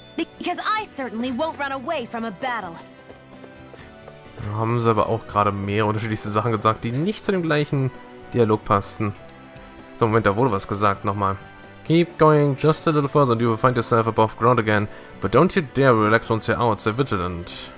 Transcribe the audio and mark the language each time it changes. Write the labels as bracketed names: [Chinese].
[English] Because I certainly won't run away from a battle. [German] Haben sie aber auch gerade mehr unterschiedliche Sachen gesagt, die nicht zu dem gleichen Dialog passten. So, Moment, da wurde was gesagt, nochmal. [English] Keep going just a little further and you will find yourself above ground again. But don't you dare relax once you're out, stay vigilant.